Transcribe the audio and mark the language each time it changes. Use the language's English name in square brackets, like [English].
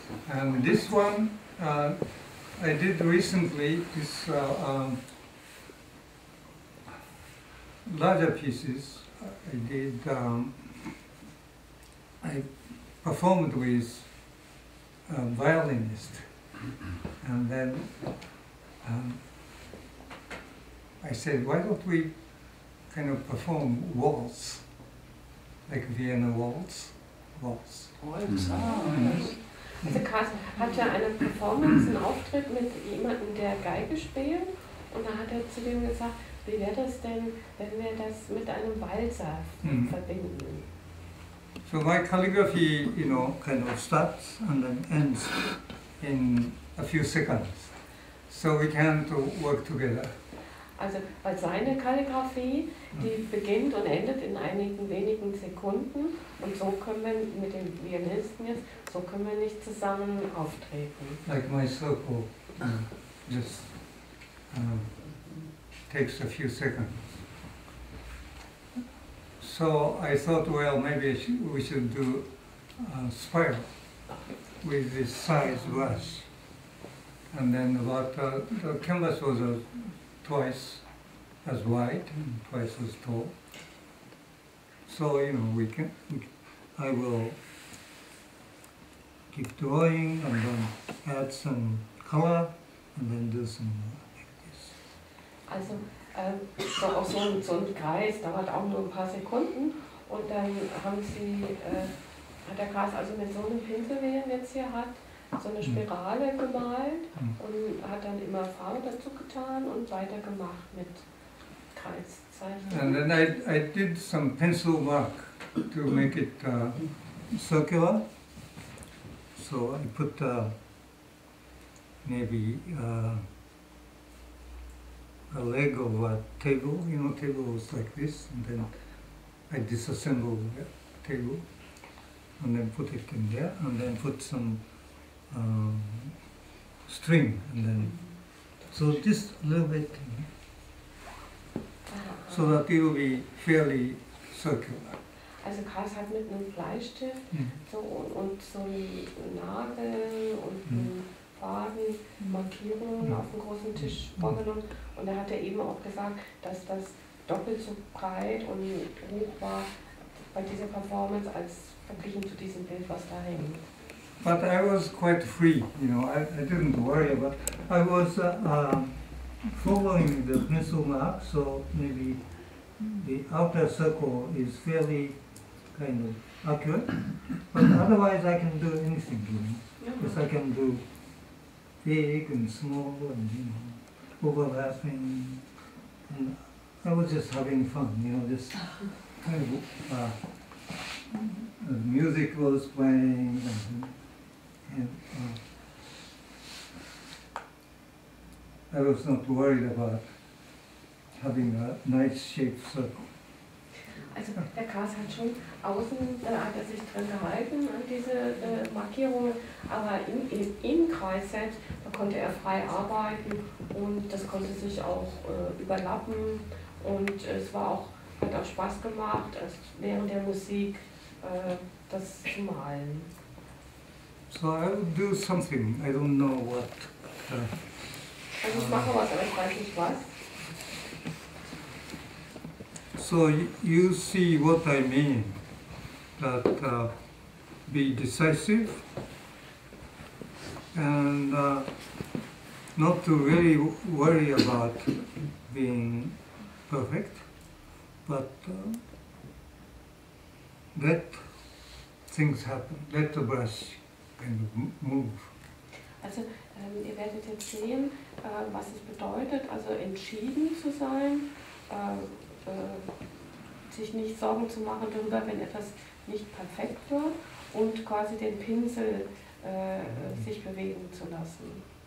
[English] And this one, I did recently, this larger pieces, I did, I performed with a violinist, and then I said, why don't we kind of perform waltz, like Vienna waltz, waltz. Waltz, mm-hmm. [German] Also Carsten hat ja eine Performance, einen Auftritt mit jemandem, der Geige spielt, und da hat er zu dem gesagt, wie wäre das denn, wenn wir das mit einem Walzer verbinden? [English] So my calligraphy, you know, kind of starts and then ends in a few seconds. So we can to work together. [German] Also, weil seine Kalligraphie, die beginnt und endet in einigen wenigen Sekunden, und so können wir mit dem Violinisten jetzt, so können wir nicht zusammen auftreten. [English] Like my circle, just takes a few seconds. So I thought, well, maybe we should do a spiral with this size brush. And then about the canvas was twice as wide and twice as tall. So, you know, I will keep drawing and then add some color and then do some more. [German] Also so auch so ein Kreis dauert auch nur ein paar Sekunden, und dann haben sie hat der Kreis also mit so einem Pinsel, wie er jetzt hier hat, so eine Spirale gemalt und hat dann immer Farbe dazu getan und weiter gemacht mit Kreiszeichen. [English] And then I did some pencil work to make it circular. So I put a leg of a table, you know, table was like this, and then I disassembled the table and then put it in there, and then put some string, and then so just a little bit in here, so that it will be fairly circular. [German] Also Karls hat mit einem Bleistift so und so ein Nagel und Faden, Markierungen auf dem großen Tisch vorgenommen, und er hat ja eben auch gesagt, dass das doppelt so breit und hoch war bei dieser Performance als verglichen zu diesem Bild, was da hängt. [English] But I was quite free, you know, I didn't worry about, I was following the pencil mark, so maybe the outer circle is fairly kind of accurate. But otherwise, I can do anything, you know. Yes, I can do big and small and, you know, overlapping. And I was just having fun, you know, just kind of, the music was playing and I was not worried about having a nice shaped circle. [German] Also, der Kars hat schon außen, hat er sich drin gehalten an diese Markierungen, aber im Kreisset, da konnte er frei arbeiten und das konnte sich auch überlappen und es war auch, hat auch Spaß gemacht, also während der Musik das zu malen. [English] So, I'll do something, I don't know what. [German] Also, ich mache was, aber ich weiß nicht was. [English] So you see what I mean, that be decisive and not to really worry about being perfect, but let things happen, let the brush kind of move. [German] Also ihr werdet jetzt sehen, was es bedeutet, also entschieden zu sein, sich nicht Sorgen zu machen darüber, wenn etwas nicht perfekt wird und quasi den Pinsel sich bewegen zu lassen.